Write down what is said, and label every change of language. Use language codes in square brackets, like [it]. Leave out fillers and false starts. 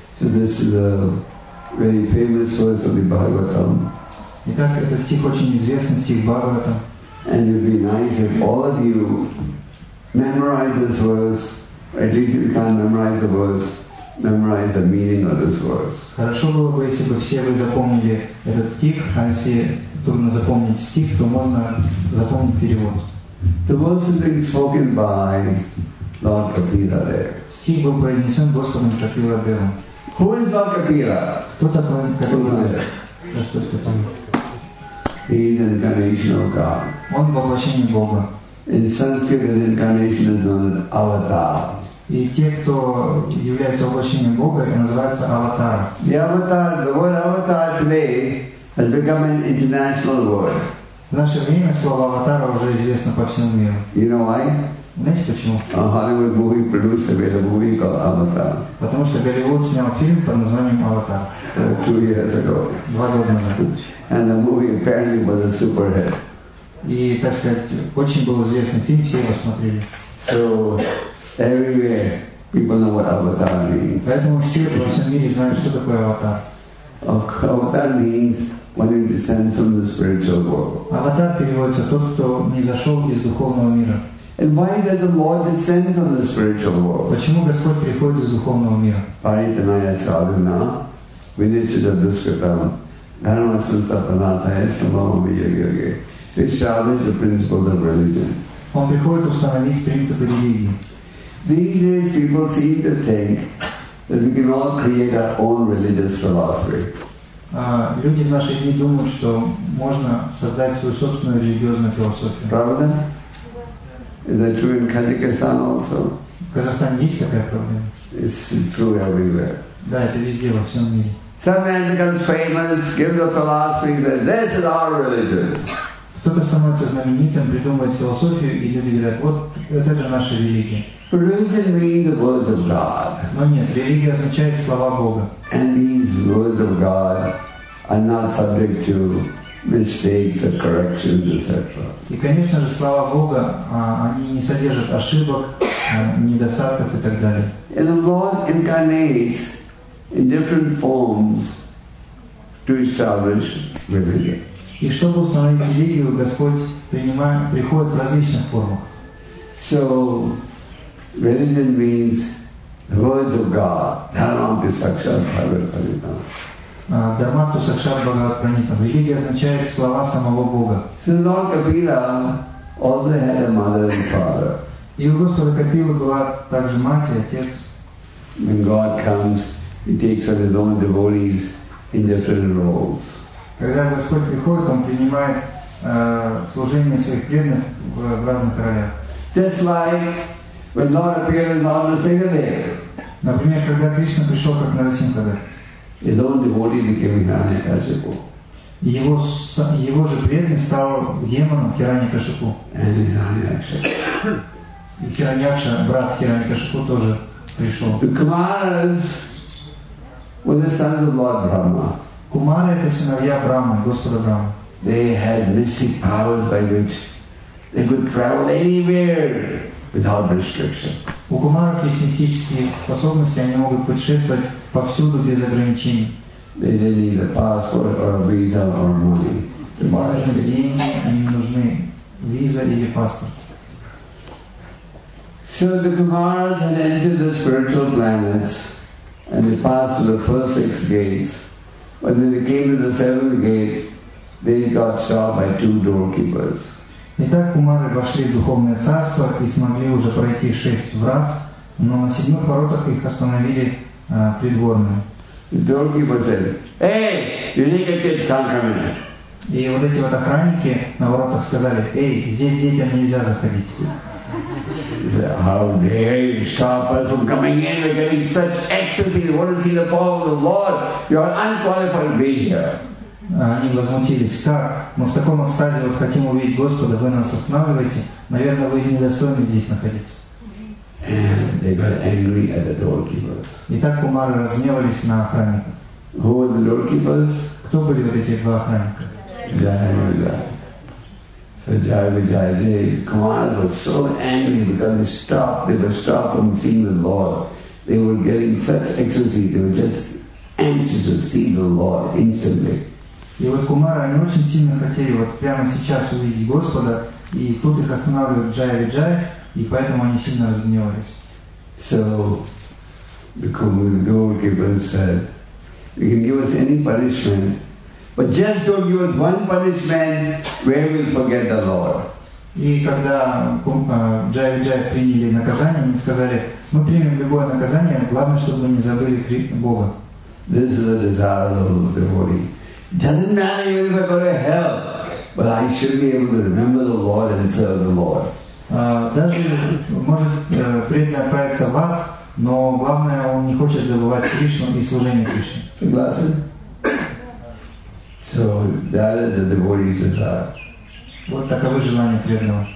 [en] So this is a very famous verse of the Bhagavatam. [ru] Итак, это стих очень известный, стих Бхагаватам. [en] And it would be nice if all of you memorize this verse, at least if you can't memorize the verse, memorize the meaning of this verse. [ru] Хорошо было бы, если бы все вы запомнили этот стих, а если трудно запомнить стих, то можно запомнить перевод. [en] The verse is being spoken by Lord Kapila there. [ru] Стих был произнесен Господом Капила Дева. [en] Who is Lord Kapila? [ru] Кто такой Капила Дева? [en] He is an incarnation of God. [ru] Он воплощение Бога. [en] In Sanskrit, his incarnation is known as avatar. [ru] И те, кто является воплощением Бога, это называется аватар. [en] The avatar, the word avatar today has become an international word. [ru] В наше время слово аватар уже известно по всему миру. [en] You know why? A Hollywood movie producer made a movie called Avatar. [ru] Потому что Голливуд снял фильм под названием Аватар. [en] 2 years ago. [ru] 2 года назад. [en] And the movie apparently was a super hit. [ru] И так сказать, очень был известный фильм, все его смотрели. [en] So everywhere people know what Avatar means. [ru] Поэтому все во всем мире знают, что такое Аватар. [en] Avatar means one who descends from the spiritual world. [ru] Аватар переводится тот, кто не зашел из духовного мира. [en] And why does the Lord descend from the spiritual world? [ru] Почему Господь приходит из духовного мира? [sa] Паританая садхана, виничча дускатам, дхарма сантапанатая самама вияйоги. [en] He established the principles of religion. [ru] Он приходит установить принципы религии. [en] These days people seem to think that we can all create our own religious philosophy. [ru] Люди в наши дни думают, что можно создать свою собственную религиозную философию. Правда? [en] Is that true in Kazakhstan also? Kazakhstan is such a problem. It's true everywhere. [ru] Да, это везде во всем мире. [en] Some man becomes famous, gives a philosophy that this is our religion. [ru] Кто-то становится знаменитым, придумывает философию, и люди говорят, вот это же наша религия. [en] Religion means the words of God. [ru] Но нет, религия означает слова Бога. [en] And these words of God are not subject to mistakes, or corrections, etc. [ru] И, конечно же, слава Богу, они не содержат ошибок, недостатков и так далее. [en] And the Lord incarnates in different forms to establish religion. [ru] И чтобы установить религию, Господь приходит в различных формах. [en] So, religion means the words of God. [sa] Dharmanti sakshat bhagavad-gita. Дармату сакшат бхагават пранитам. [ru] Религия означает слова самого Бога. [en] So Lord Kapila also had a mother and father. [ru] И у Господа Капилы была также мать и отец. [en] When God comes, he takes on his own devotees in different roles. [ru] Когда Господь приходит, он принимает служение своих преданных в разных ролях. [en] Just like when Lord appears on the Singhade. [ru] Например, когда Кришна пришел как Нарасимхадев. [en] His own devotee became Hiranyakashipu. [ru] Его же преданный стал демоном Хираньякашипу. [en] And Хираньякша. [ru] И Хираньякша, брат Хираньякашипу, тоже пришел. [en] The Kumaras were the sons of Lord Brahma. [ru] Кумары — это сыновья Брахмы, Господа Брахмы. [en] They had mystic powers by which they could travel anywhere without restriction. [ru] У кумаров есть мистические способности, они могут путешествовать повсюду без ограничений. [en] They didn't need a passport or a visa or money. [ru] Им нужны деньги, им нужны виза или паспорт. [en] So the Kumaras had entered the spiritual planets and they passed through the first 6 gates. But when they came to the 7th gate, they got stopped by 2 doorkeepers. [ru] Итак, кумары вошли в духовное царство и смогли уже пройти 6 врат, Но на седьмых воротах их остановили придворные. Другие пацаны. Эй, [en] you need to get some. [ru] И вот эти вот охранники на воротах сказали: эй, здесь детям нельзя заходить. [en] How dare you stop us from coming in? We're getting such ecstasy. We want to see the power of the Lord. You're unqualified to be here. [ru] Они возмутились: как? Мы в таком экстазе вот хотим увидеть Господа, вы нас останавливаете. Наверное, вы недостойны здесь находиться. [en] And they got angry at the doorkeepers. [ru] И так кумары разгневались на охранника. [en] Who were the doorkeepers? [ru] Кто были вот эти два охранника? [en] Jai Vijay. The kumars were so angry because they were stopped from seeing the Lord. They were getting such ecstasy. They were just anxious to see the Lord instantly. [ru] И вот кумары, они очень сильно хотели вот прямо сейчас увидеть Господа, и тут их останавливает Jai Vijay. И поэтому они сильно разгневались. [en] So the doorkeeper said, "You can give us any punishment, but just don't give us one punishment where we'll forget the Lord." [ru] И когда Джай приняли наказание, они сказали: "Мы примем любое наказание, главное, чтобы мы не забыли Бога." [en] This is a desire of the devotee. Doesn't matter if I go to hell, but I should be able to remember the Lord and serve the Lord. [ru] Даже может преданный отправиться в ад, но главное, он не хочет забывать Кришну и служение Кришне. Согласен? [en] So that is the devotee's desire. [ru] Вот таковы желания преданного.